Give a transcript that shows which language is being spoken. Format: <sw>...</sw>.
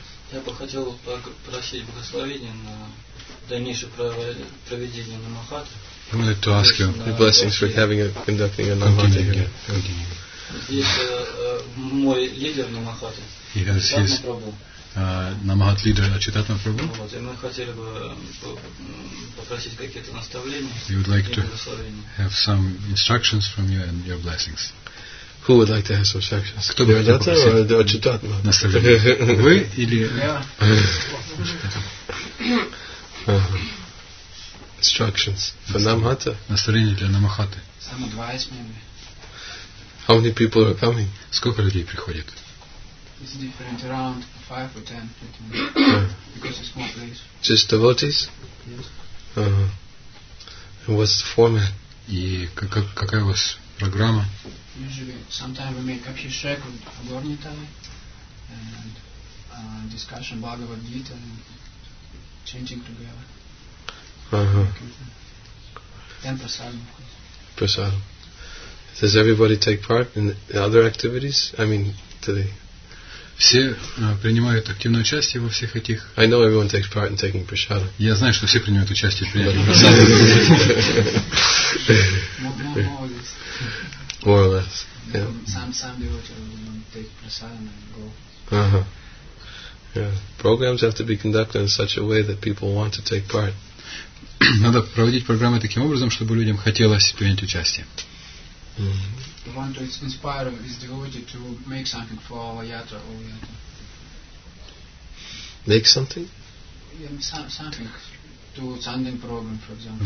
<ru>Я бы хотел попросить благословения на дальнейшее проведение намахаты.</ru> <en>I wanted to ask you the blessings for having conducting a намахата.</en> <ru>Здесь мой лидер намахаты.</ru> <en>He has his</en> <ru>на Махатлиджа Чайтанья Прабху. Вот, и мы хотели бы попросить какие-то наставления.</ru> <en>We would like to have some instructions from you and your blessings. Who would like to have some instructions?</en> <ru>Кто бы хотел попросить?</ru> <en>Or</en> <ru>Чайтанья Прабху? Вы или...</ru> <en>Instructions for Namahata.</en> <ru>Наставление для Намахаты.</ru> <en>How many people are coming?</en> <ru>Сколько людей приходит?</ru> <en>It's different, around 5 or 10 Because it's more place. Just devotees? Yes. Uh-huh. And what's the format?</en> <ru>И какая у вас программа?</ru> <en>Usually, sometimes we make abhishek with Agornitai and discussion Bhagavad Gita and chanting together. Uh-huh. And prasadam, of course. Prasadam. Does everybody take part in the other activities? I mean, today.</en> <ru>Все принимают активное участие во всех этих.</ru> <en>I know everyone takes part in taking prasadam.</en> <ru>Я знаю, что все принимают участие в принятии</ru> <en>прасадам. More or less. Some take prasadam and go. Uh-huh. Yeah. Programs have to be conducted in such a way that people want to take part.</en> <ru>Надо проводить программы таким образом, чтобы людям хотелось принять участие.</ru> <en>We want to inspire his devotee to make something for our yatra. Make something? Something to Sunday program, for example.</en>